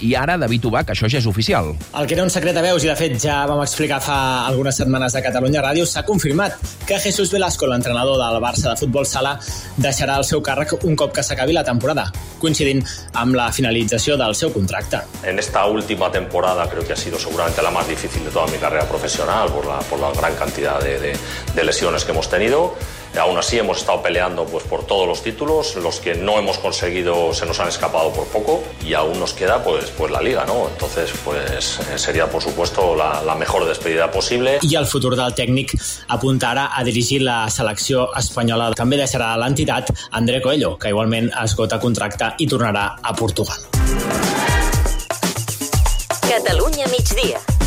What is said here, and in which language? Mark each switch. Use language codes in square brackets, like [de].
[ca] I ara, David Ubach, això ja és oficial. El que era un secret a veus, i de fet ja vam explicar fa algunes setmanes a Catalunya Ràdio, s'ha confirmat que Jesús Velasco, l'entrenador del Barça de futbol sala, deixarà el seu càrrec un cop que s'acabi la temporada, coincidint amb la finalització del seu contracte. [es] En esta última temporada creo que ha sido seguramente la más difícil de toda mi carrera profesional por la gran cantidad de lesiones que hemos tenido. Aún así hemos estado peleando pues por todos los títulos, los que no hemos conseguido se nos han escapado por poco y aún nos queda pues la Liga, ¿no? Entonces pues sería por supuesto la mejor despedida posible. [ca] I el futur del tècnic apunta ara a dirigir la selecció espanyola. També deixarà l'entitat André Coelho, que igualment esgota contracte i tornarà a Portugal. Catalunya migdia.